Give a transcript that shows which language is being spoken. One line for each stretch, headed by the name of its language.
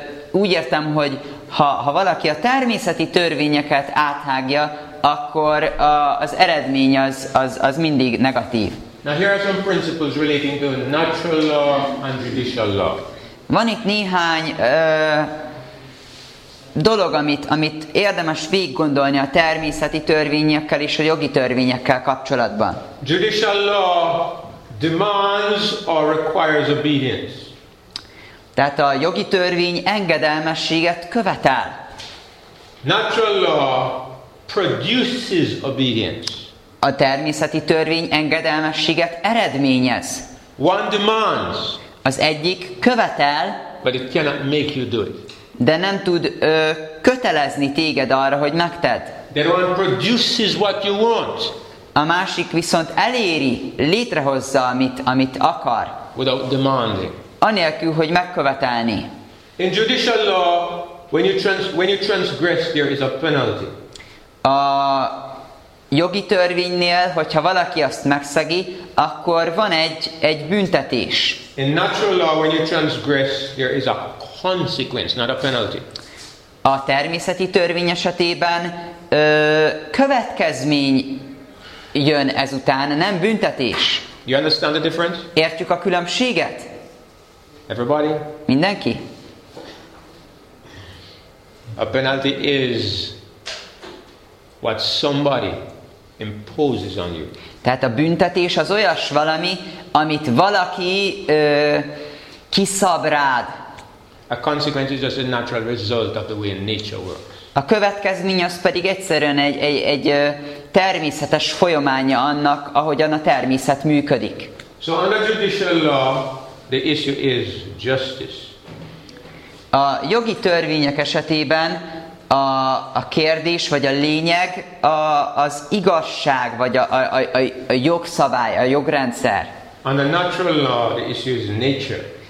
Hungarian: Úgy értem, hogy ha valaki a természeti törvényeket áthágja, akkor az eredmény az mindig negatív.
English: Now here are some principles relating to natural law and judicial law.
Hungarian: Van itt néhány dolog, amit érdemes végiggondolni a természeti törvényekkel és a jogi törvényekkel kapcsolatban.
English: Judicial law demands or requires obedience.
Hungarian: Tehát a jogi törvény engedelmességet követel.
English: Natural law produces obedience.
Hungarian: A természeti törvény engedelmességet eredményez.
English: One demands.
Hungarian: Az egyik követel,
English: but it cannot make you do it.
Hungarian: De nem tud kötelezni téged arra, hogy megtedd.
English: That one produces what you want.
Hungarian: A másik viszont eléri, létrehozza, amit akar.
English: Without demanding.
Hungarian: Anélkül, hogy megkövetelni.
English: In judicial law, when you transgress, there is a penalty.
Hungarian: A jogi törvénynél, hogyha valaki azt megszegi, akkor van egy büntetés.
English: In natural law, when you transgress, there is a consequence, not a penalty.
Hungarian: A természeti törvény esetében következmény jön ezután, nem büntetés.
English: You understand the difference?
Hungarian: Értjük a különbséget?
English: Everybody?
Hungarian: Mindenki?
English: A penalty is what somebody imposes on you.
Hungarian: Tehát a büntetés az olyas valami, amit valaki kiszab rád.
English: A consequence is just a natural result of the way nature works.
Hungarian: A következmény az pedig egyszerűen egy természetes folyamánya annak, ahogyan a természet működik.
English: So under judicial law, the issue is justice.
Hungarian: A jogi törvények esetében a kérdés vagy a lényeg az igazság vagy a jogszabály, a jogrendszer.
English: Under natural law, the issue is nature.